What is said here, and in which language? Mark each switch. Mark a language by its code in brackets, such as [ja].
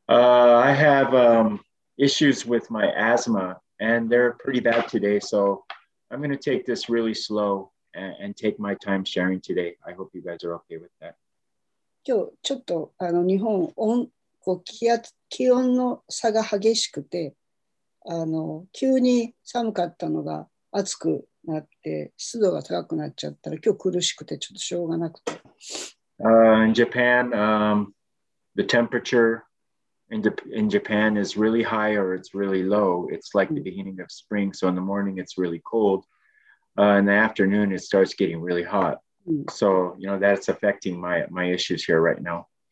[en] I have issues with my asthma and they're pretty bad today, so. I'm going to take this really slow and take my time sharing today. I hope you guys are okay with that. [ja] 今日ちょっと日本こう気温の差が激しくて急に寒かったのが暑くなって湿度が高くなっちゃったら今日苦しくてちょっとしょうがなくて。 [en] In Japan, the temperature in Japan is really high or it's really low. It's like the beginning of spring. So in the morning, it's really cold. In the afternoon, it starts getting really hot. So, you know, that's affecting my issues here right now.